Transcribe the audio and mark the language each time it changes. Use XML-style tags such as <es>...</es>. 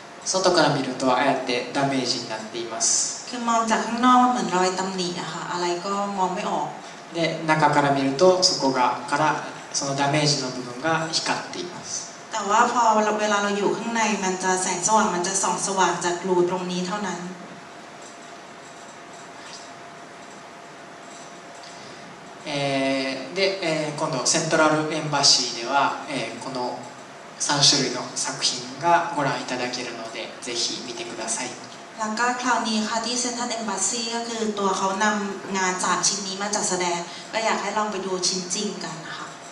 <th>คือมองจากข้างนอกเหมือนรอยตำหนิอะค่ะอะไรก็มองไม่ออก</th> <ja>で中から見るとそこがからそのダメージの部分が光っています</ja> <th>แต่ว่าพอเราเวลาเราอยู่ข้างในมันจะแสงสว่างมันจะส่องสว่างจากรูตรงนี้เท่านั้น</th> <ja>で今度セントラルエンバシーではこの3種類の作品がご覧いただけるのでぜひ見てください</ja> <th>แล้วก็คราวนี้ค่ะที่เซ็นทรัลเอ็มบาซีก็คือตัวเขานำงานจากชิ้นนี้มาจัดแสดงก็อยากให้ลองไปดูชิ้นจริงกันนะคะ</th>